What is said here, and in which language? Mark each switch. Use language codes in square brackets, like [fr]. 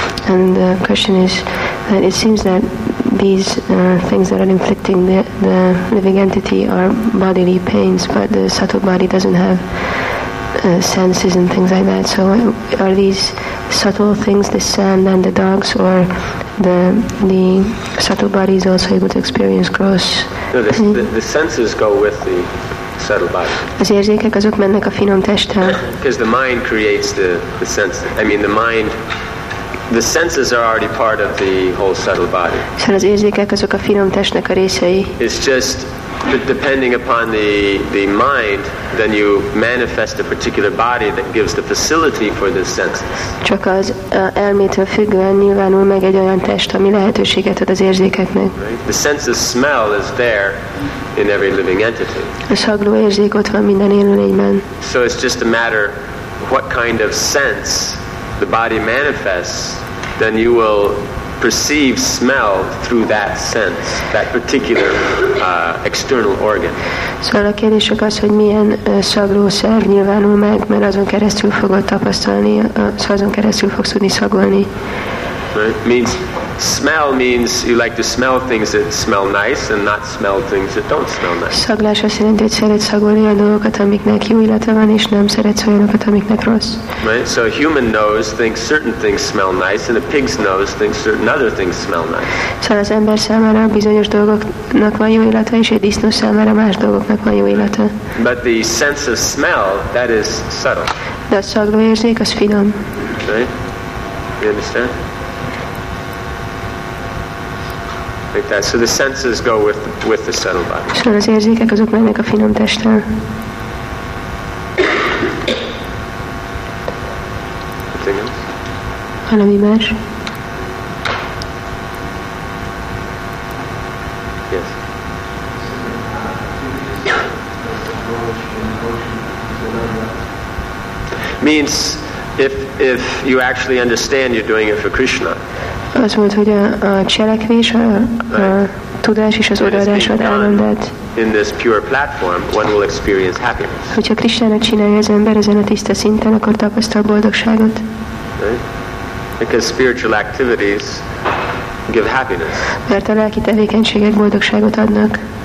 [en] And the question is that it seems that these things that are inflicting the living entity are bodily pains, but the subtle body doesn't have senses and things like that. So are these subtle things, the sand and the dogs, or the subtle body is also able to experience gross? No, the senses go with the subtle body. [hu] Az érzékek azok mennek a finom testtel. [en] Because the mind creates the sense. I mean, the mind, the senses are already part of the whole subtle body. [hu] Szóval az érzékek azok a finom testnek a részei. [en] It's just depending upon the mind, then you manifest a particular body that gives the facility for the senses. [hu] Csak az elmétől függően nyilvánul meg egy olyan test, ami lehetőséget ad az érzékeknek. [en] Right? The sense of smell is there in every living entity. [hu] A szagló érzék ott van minden élőlényben. [en] So it's just a matter what kind of sense the body manifests, then you will perceive smell through that sense, that particular external organ. [hu] Szóval a kérdés csak az, hogy milyen szagló szerv nyilvánul meg, mert azon keresztül fogod tapasztalni, szóval azon keresztül fogsz tudni szagolni. [en] Right? Means, smell means you like to smell things that smell nice and not smell things that don't smell nice. [hu] Szaglás azt jelenti, hogy szeret szagolni a dolgokat, amiknek jó illata van, és nem szeret olyanokat, amiknek rossz. [en] Right? So a human nose thinks certain things smell nice and a pig's nose thinks certain other things smell nice. [hu] Szóval az ember számára bizonyos dolgoknak van jó illata, és egy disznó számára más dolgoknak van jó illata. [en] But the sense of smell, that is subtle. [hu] De a szagló érzék, az finom. [en] Right? You understand? Like that. So the senses go with the subtle body. [hu] So az érzékek azok mennek a finom testtel. [en] Anything else? [hu] Valami más? [en] Yes. Means if you actually understand you're doing it for Krishna. [hu] Azt mondta, hogy a cselekvés, a tudás és az odaadás ad áldást. [en] In this pure platform, one will experience happiness. [hu] Hogyha Krisztusnak csinálja az ember ezen a tiszta szinten, akkor tapasztal boldogságot. [en] Right? Because spiritual activities give happiness. [hu] Mert a lelki tevékenységek boldogságot adnak.